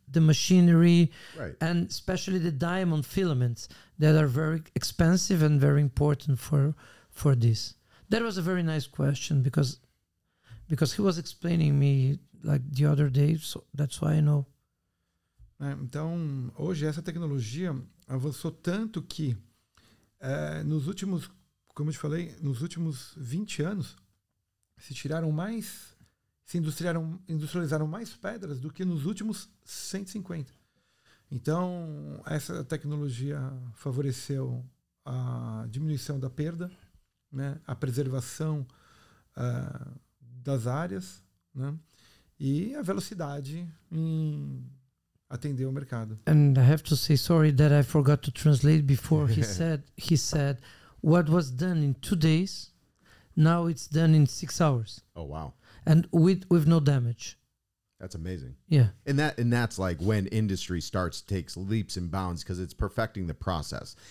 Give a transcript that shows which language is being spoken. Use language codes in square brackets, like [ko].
[en] The machinery, and especially the diamond filaments that are very expensive and very important for this. That was a very nice question because he was explaining me like the other day, so that's why I know. [pt] Então, hoje essa tecnologia avançou tanto que nos últimos como eu te falei, nos últimos 20 anos, se tiraram mais, se industrializaram mais pedras do que nos últimos 150. Então, essa tecnologia favoreceu a diminuição da perda, né, a preservação das áreas, né, e a velocidade em atender o mercado. [en] And I have to say sorry that I forgot to translate before. He said what was done in 2 days, now it's done in 6 hours. Oh wow. And with no damage. That's amazing. Yeah. And that's like when industry starts, takes leaps and bounds because it's perfecting the process.